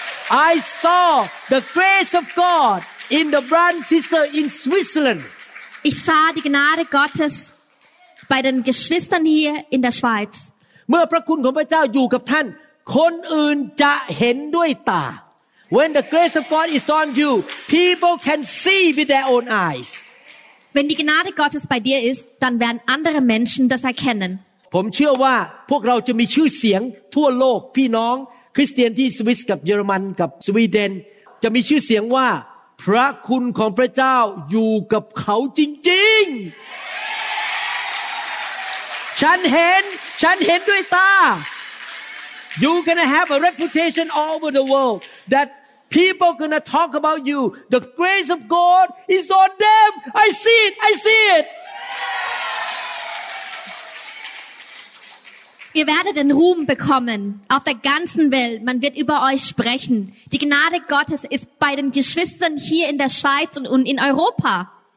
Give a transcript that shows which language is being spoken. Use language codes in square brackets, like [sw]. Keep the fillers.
[en] I saw the grace of God in the brown sister in Switzerland [de] Ich sah die Gnade Gottes bei den Geschwistern hier in der Schweiz. [th] เมื่อพระคุณของพระเจ้าอยู่กับท่าน คนอื่นจะเห็นด้วยตา [en] When the grace of God is on you people can see with their own eyes [de] Wenn die Gnade Gottes bei dir ist dann werden andere Menschen das erkennen [th] ผมเชื่อว่าพวกเราจะมีชื่อเสียงทั่วโลกพี่น้อง คริสเตียนที่สวิสกับเยอรมันกับสวีเดน จะมีชื่อเสียงว่าพระคุณของพระเจ้าอยู่กับเขาจริงๆ ฉันเห็นฉันเห็นด้วยตา [en] you gonna have a reputation all over the world that people gonna talk about you the grace of God is on them I see it [th] I see it [de] Ihr werdet den Ruhm bekommen auf der ganzen Welt. Man wird über euch sprechen. Die Gnade Gottes ist bei den Geschwistern hier in der Schweiz und in Europa.